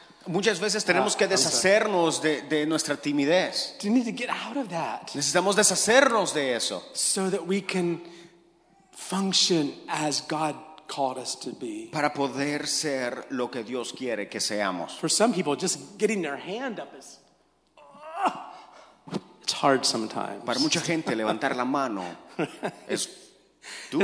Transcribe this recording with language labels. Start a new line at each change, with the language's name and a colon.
Spanish: Muchas veces tenemos que deshacernos de nuestra timidez.
English: We need to get out of that.
Spanish: Necesitamos deshacernos de eso.
English: So that we can function as God called us to be.
Spanish: Para poder ser lo que Dios quiere que seamos.
English: For some people, just getting their hand up is it's hard sometimes.
Spanish: Para mucha gente, levantar la mano es duro.